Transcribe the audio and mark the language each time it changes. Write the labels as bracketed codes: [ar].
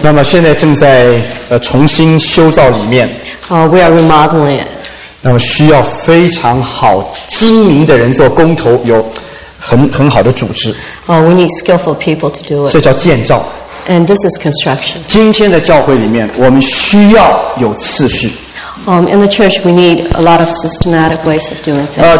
[zh] 那么现在正在重新修造里面。 [en] We are remodeling it. [zh] 那么需要非常好精明的人做工头，有很好的组织。 [en] We need skillful people to do it. [zh] 这叫建造。 [en] And this is construction. [zh] 今天的教会里面，我们需要有次序。 [en] In the church, we need a lot of systematic ways of doing things.